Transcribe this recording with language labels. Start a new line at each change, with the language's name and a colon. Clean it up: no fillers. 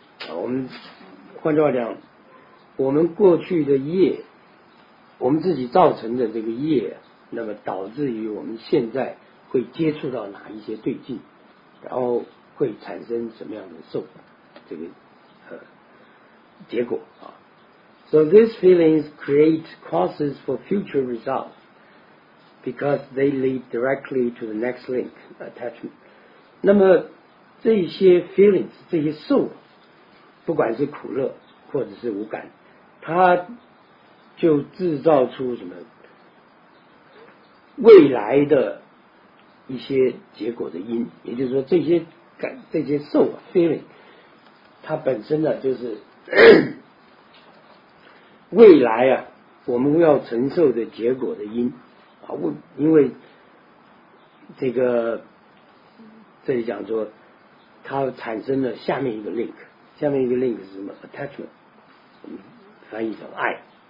Chinese: 我们换句话讲，我们过去的业，我们自己造成的这个业，那么导致于我们现在会接触到哪一些对境，然后会产生什么样的受这个结果啊？
English: So these feelings create causes for future results because they lead directly to the next link attachment.
Chinese: 那么这些 feelings, 这些受不管是苦乐或者是无感，它就制造出什么未来的一些结果的因。也就是说这些感，这些受 feeling, 它本身呢就是未来啊，我们要承受的结果的因啊，因为这个这里讲说，它产生了下面一个 link， 下面一个 link 是什么 ？attachment， 翻译成爱。